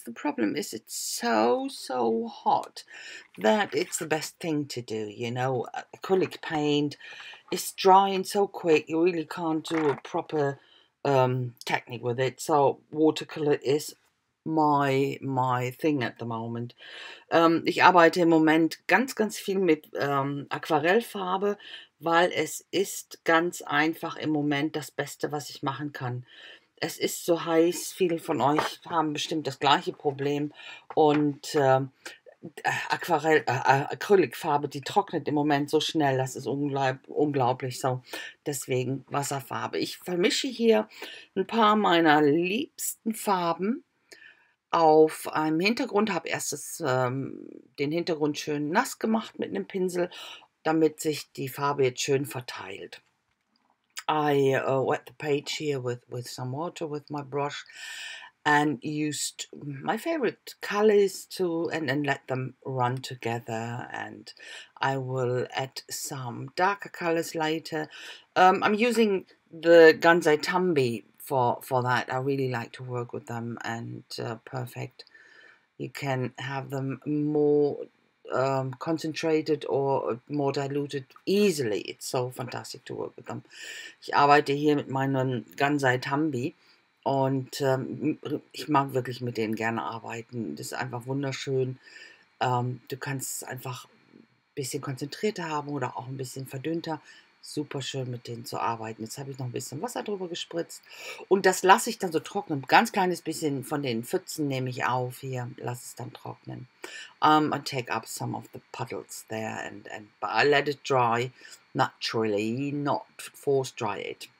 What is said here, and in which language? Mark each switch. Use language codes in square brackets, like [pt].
[en] The problem is it's so hot that it's the best thing to do, you know. Acrylic paint is drying so quick, you really can't do a proper technique with it. So watercolour is my thing at the moment. [de] Ich arbeite im Moment ganz viel mit Aquarellfarbe, weil es ist ganz einfach im Moment das Beste, was ich machen kann. Es ist so heiß, viele von euch haben bestimmt das gleiche Problem und Acrylicfarbe, die trocknet im Moment so schnell, das ist unglaublich, so deswegen Wasserfarbe. Ich vermische hier ein paar meiner liebsten Farben. Auf einem Hintergrund habe erstes den Hintergrund schön nass gemacht mit einem Pinsel, damit sich die Farbe jetzt schön verteilt. [en] I wet the page here with some water with my brush and used my favorite colors to and let them run together. And I will add some darker colors later. I'm using the Gansai Tambi for that. I really like to work with them and perfect. You can have them more concentrated or more diluted easily. It's so fantastic to work with them. [de] Ich arbeite hier mit meinen Gansai Tambi und ich mag wirklich mit denen gerne arbeiten. Das ist einfach wunderschön. Du kannst es einfach ein bisschen konzentrierter haben oder auch ein bisschen verdünnter. Super schön mit denen zu arbeiten. Jetzt habe ich noch ein bisschen Wasser drüber gespritzt. Und das lasse ich dann so trocknen. Ganz kleines bisschen von den Pfützen nehme ich auf hier. Lass es dann trocknen. [en] I take up some of the puddles there. And I let it dry naturally, not force dry it.